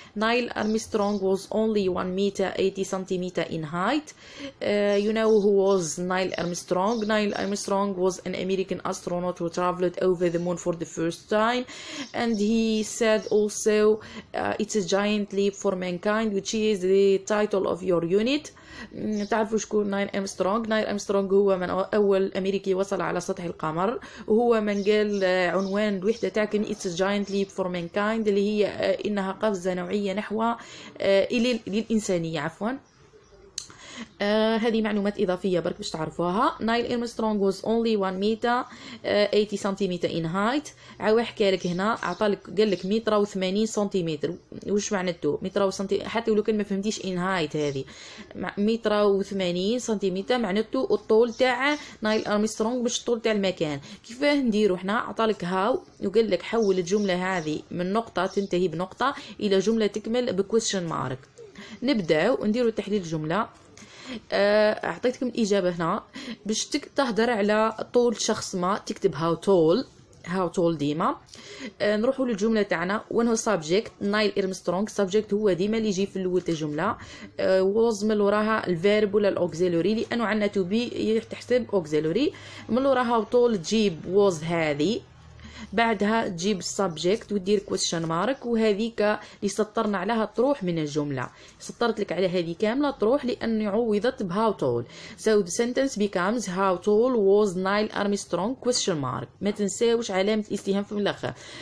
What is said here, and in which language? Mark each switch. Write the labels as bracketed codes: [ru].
[en] Neil Armstrong was only 1 meter 80 centimeters in height. You know who was Neil Armstrong. Neil Armstrong was an American astronaut who traveled over the moon for the first time. And he said also it's a giant leap for mankind, which is the title of your unit. [ar] تعرفوا شكون نايل أرمسترونغ؟ نايل أرمسترونغ هو من أول أمريكي وصل على سطح القمر، وهو من قال عنوان الوحدة تاعكم [en] It's a giant leap for mankind، [ar] اللي هي إنها قفزة نوعية نحو للإنسانية عفوا. هذه معلومات إضافية برك باش تعرفوها. [en] Neil Armstrong was only 1 meter 80 centimeter in height. [ar] عاوي حكي لك هنا عطالك قال لك متر و 80 سنتيمتر. وش معناته متر و سنتي؟ حتى ولو كان ما فهمتيش [en] in height، [ar] هذه متر و 80 سنتيمتر معناته الطول تاع نايل أرمسترونغ مش الطول تاع المكان. كيفاه نديرو هنا؟ عطالك هاو وقال لك حول الجملة هذه من نقطة تنتهي بنقطة إلى جملة تكمل بكويشن مارك. نبداو ونديرو تحليل الجملة. أعطيتكم الإجابة هنا باش تهدر على طول شخص ما، تكتب [en] how tall. how tall [ar] ديما نروحوا للجملة تاعنا. وين هو subject؟ نايل أرمسترونغ. subject هو ديما اللي يجي في الأول الجملة، was من وراها الفيرب ولا الأوكزيلوري، لأنه عندنا [en] to be [ar] تحسب أوكزيلوري. من وراها [en] how tall [ar] تجيب was هذه، بعدها تجيب subject ودير [en] question mark، [ar] وهذيك اللي سطرنا عليها تروح من الجملة. سطرت لك على هذه كاملة تروح لأنه عوضت ب [en] how tall. So the sentence becomes how tall was Neil Armstrong question mark. [ar] ما تنساوش علامة الاستفهام في الأخر.